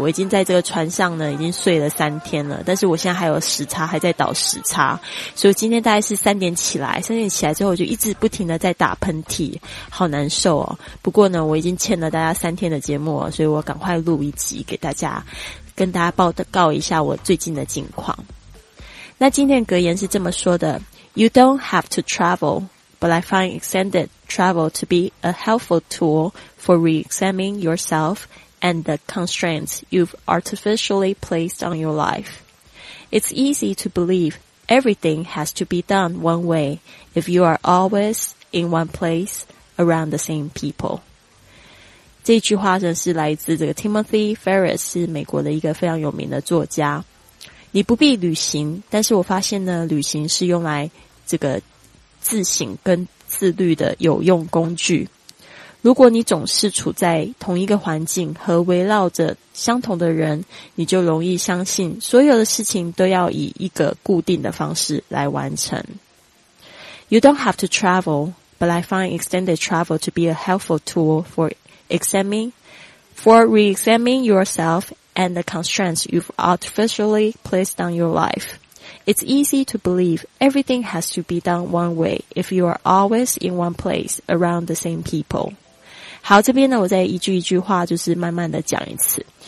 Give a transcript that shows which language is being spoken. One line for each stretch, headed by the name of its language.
Chinese: 我已经在这个船上呢已经睡了三天了，但是我现在还有时差，还在倒时差，所以今天大概是三点起来之后，我就一直不停的在打喷嚏，好难受哦。不过呢，我已经欠了大家三天的节目了，所以我赶快录一集给大家，跟大家报告一下我最近的近况。那今天格言是这么说的，
English: You don't have to travel, but I find extended travel to be a helpful toolfor re-examining yourself and the constraints you've artificially placed on your life. It's easy to believe everything has to be done one way if you are always in one place around the same people.
Chinese: 这句话呢是来自这个 Timothy Ferris, 是美国的一个非常有名的作家。你不必旅行，但是我发现呢，旅行是用来这个自省跟自律的有用工具。如果你总是处在同一个环境和围绕着相同的人，你就容易相信所有的事情都要以一个固定的方式来完成。
English: You don't have to travel, but I find extended travel to be a helpful tool for re-examining yourself and the constraints you've artificially placed on your life. It's easy to believe everything has to be done one way if you are always in one place around the same people.
Chinese: 好，这边呢我再一句一句话就是慢慢的讲一次。